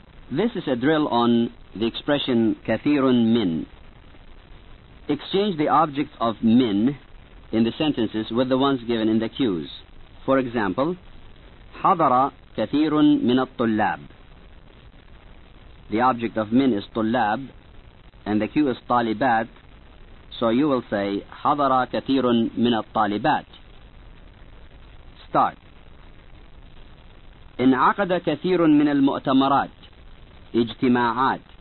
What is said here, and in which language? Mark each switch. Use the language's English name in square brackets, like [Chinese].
[English] This is a drill on the expression [Arabic] كثير من. [English] Exchange the objects of من in the sentences with the ones given in the cues. For example, [Arabic] حضر كثير من الطلاب. [English] The object of من is طلاب. And the cue is طالبات. So you will say [Arabic] حضر كثير من الطالبات. [English] Start. [Arabic] انعقد كثير من المؤتمرات. اجتماعات.